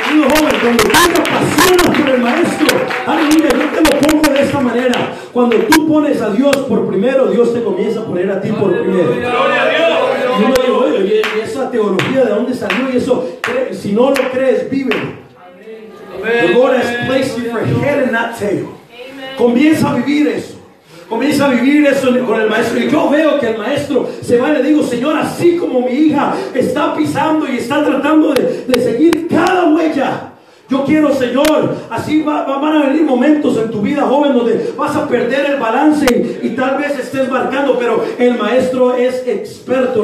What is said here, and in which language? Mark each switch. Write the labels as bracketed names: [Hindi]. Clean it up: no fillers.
[Spanish] Cuando tú te apasionas por el Maestro, aleluya, yo te lo pongo de esta manera: cuando tú pones a Dios por primero, Dios te comienza a poner a ti por primero. Gloria a Dios. Y yo digo, oye, esa teología de dónde salió, y eso, si no lo crees, vive. Amén. [English] The Lord has placed you for head and not tail. [Spanish] Amén. Comienza a vivir eso. Comienza a vivir eso con el Maestro. Y yo veo que el Maestro se va y le digo, Señor, así como mi hija está pisando y está tratando de seguir cada huella, Yo quiero, Señor, así van a venir momentos en tu vida, joven, donde vas a perder el balance y tal vez estés marcando, pero el maestro es experto.